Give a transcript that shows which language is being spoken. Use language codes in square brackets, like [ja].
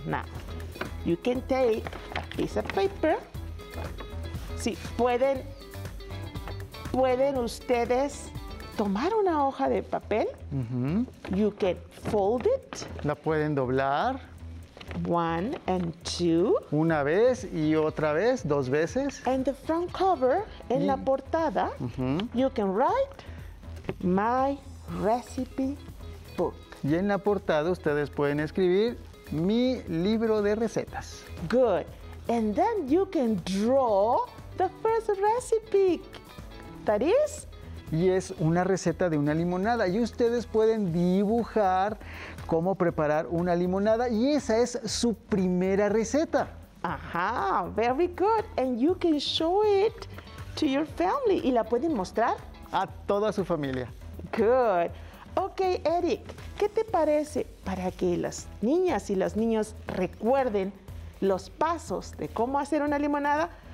[en] Now, you can take a piece of paper. [es] Sí, pueden ustedes tomar una hoja de papel. Mm-hmm. [en] You can fold it. [es] La pueden doblar. [en] One and two. [es] Una vez y otra vez, dos veces. [en] And the front cover, [es] en la portada, [en] you can write my recipe book. [es] Y en la portada ustedes pueden escribir mi libro de recetas. [en] Good. And then you can draw the first recipe. That is... [es] Y es una receta de una limonada. Y ustedes pueden dibujar cómo preparar una limonada. Y esa es su primera receta. [en] Ajá, very good. And you can show it to your family. [es] ¿Y la pueden mostrar? A toda su familia. [en] Good. [es] Ok, Eric, ¿qué te parece para que las niñas y los niños recuerden los pasos de cómo hacer una limonada?